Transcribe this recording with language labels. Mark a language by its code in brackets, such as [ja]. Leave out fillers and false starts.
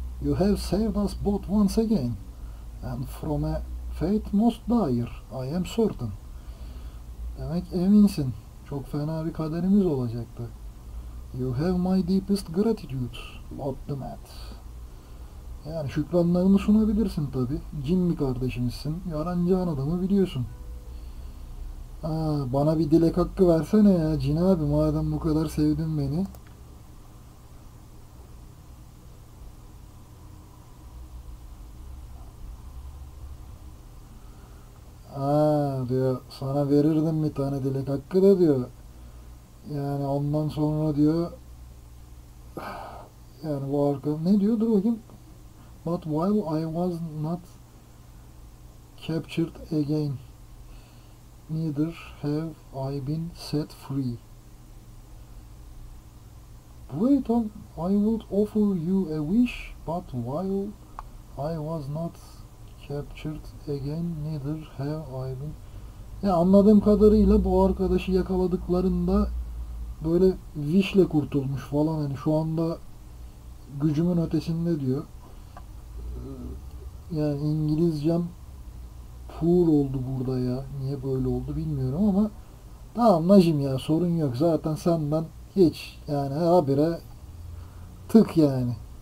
[en] You have saved us both once again. And from a fate most dire, I am certain. [tr] Demek eminsin. Çok fena bir kaderimiz olacaktı. [en] You have my deepest gratitude, Lord the Mad. [tr] Yani şükranlarını sunabilirsin tabi. Cin mi kardeşimizsin? Yaranacağın adamı biliyorsun. Aa, bana bir dilek hakkı versene ya Cin abi, madem bu kadar sevdin beni. Aa, diyor, sana verirdim bir tane dilek hakkı da diyor. Yani ondan sonra diyor. Yani bu arka ne diyor? Dur bakayım. [en] But while I was not captured again. Neither have I been set free. Wait on, I would offer you a wish, but while I was not captured again, neither have I been... [tr] Ya anladığım kadarıyla bu arkadaşı yakaladıklarında böyle Wish'le kurtulmuş falan, hani şu anda gücümün ötesinde diyor. Yani İngilizcem poor oldu burada ya. Niye böyle oldu bilmiyorum ama tamam Najim ya, sorun yok. Zaten senden hiç yani habire tık yani.